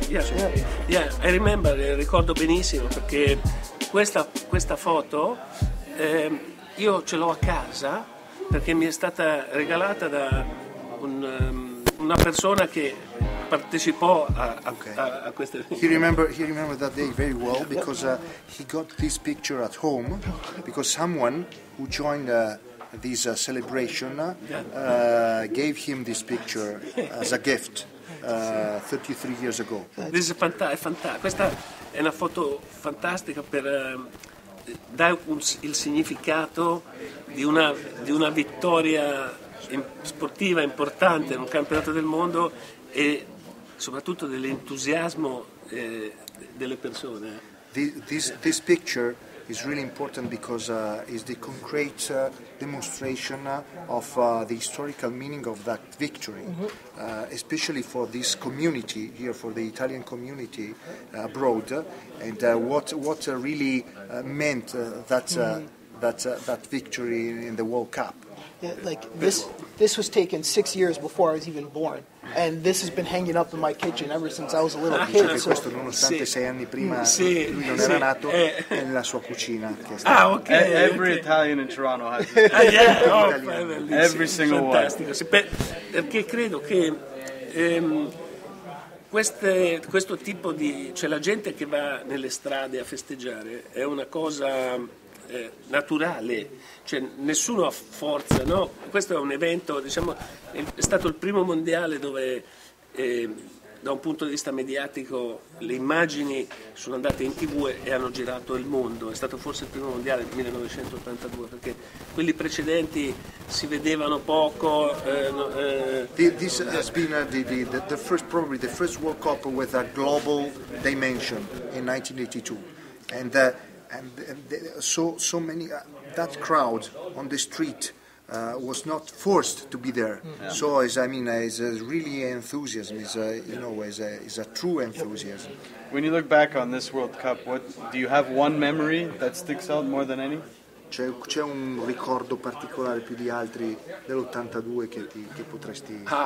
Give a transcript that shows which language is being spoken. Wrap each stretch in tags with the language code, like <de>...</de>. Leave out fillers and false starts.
<en>Yeah. I remember,</en> <it>ricordo benissimo, perché questa foto io ce l'ho a casa perché mi è stata regalata da una persona che partecipò a questa.</it> <en>He remembered that day very well because he got this picture at home because someone who joined this celebration gave him this picture as a gift 33 years ago. This is fantastic.</en> <it>Questa è una foto fantastica per dare il significato di una vittoria sportiva importante in un campionato del mondo e soprattutto dell'entusiasmo delle persone.</it> <en>This picture is really important because is the concrete demonstration of the historical meaning of that victory, especially for this community here, for the Italian community abroad, and what really meant that victory in the World Cup. Yeah, like this was taken 6 years before I was even born, and this has been hanging up in my kitchen ever since I was a little kid.</en> <it>Dice che questo nonostante sei anni prima lui non era nato è nella sua cucina. Ah, okay.</it> <en>Every Italian in Toronto has it. Yeah, oh, every single one.</en> <it>Fantastico. Perché credo che questo tipo di, cioè la gente che va nelle strade a festeggiare è una cosa naturale, cioè nessuno ha forza, no? Questo è un evento, diciamo, è stato il primo mondiale dove da un punto di vista mediatico le immagini sono andate in TV e hanno girato il mondo. È stato forse il primo mondiale del 1982, perché quelli precedenti si vedevano poco.</it> <en>This has been the first, probably the first World Cup with a global dimension in 1982, and so many that crowd on the street was not forced to be there. Yeah. So it's really enthusiasm. It's a true enthusiasm. When you look back on this World Cup, what do you have one memory that sticks out more than any?</en> <it>C'è un ricordo particolare più di altri dell'82 che potresti.</it>